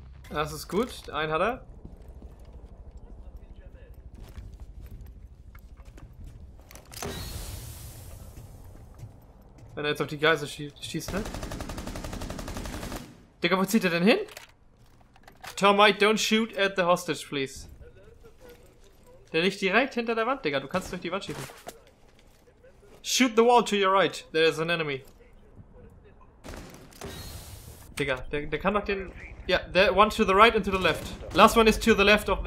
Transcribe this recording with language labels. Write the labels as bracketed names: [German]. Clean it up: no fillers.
[German] Das ist gut, einen hat er. Wenn er jetzt auf die Geisel schießt, ne? Digga, wo zieht er denn hin? [English] Termite, don't shoot at the hostage, please. [German] Der liegt direkt hinter der Wand, Digga, du kannst durch die Wand schießen. [English] Shoot the wall to your right, there is an enemy. [German] Digga, der kann doch den... Ja, [English] yeah, one to the right and to the left. Last one is to the left of...